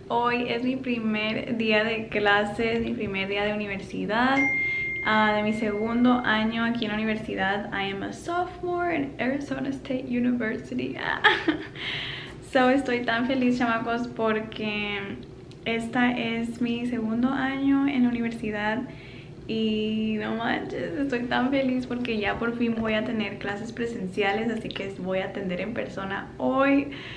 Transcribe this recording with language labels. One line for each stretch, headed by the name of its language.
Spanish: Hoy es mi primer día de clases, mi primer día de universidad, de mi segundo año aquí en la universidad.
English: I am a sophomore in Arizona State University.
Spanish: So estoy tan feliz, chamacos, porque esta es mi segundo año en la universidad y no manches, estoy tan feliz porque ya por fin voy a tener clases presenciales, así que voy a atender en persona hoy.